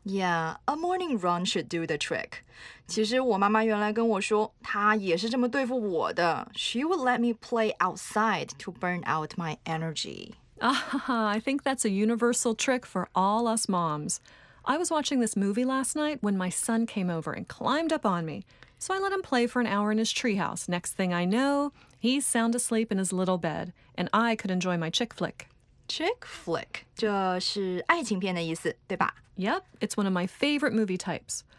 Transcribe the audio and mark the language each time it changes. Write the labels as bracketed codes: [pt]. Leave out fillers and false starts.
[en] Yeah, a morning run should do the trick. [zh] 其实我妈妈原来跟我说，她也是这么对付我的。 [en] She would let me play outside to burn out my energy. I think that's a universal trick for all us moms. I was watching this movie last night when my son came over and climbed up on me. So I let him play for an hour in his treehouse. Next thing I know, he's sound asleep in his little bed, and I could enjoy my chick flick. Chick flick? [zh] 这是爱情片的意思，对吧？ [en] Yep, it's one of my favorite movie types.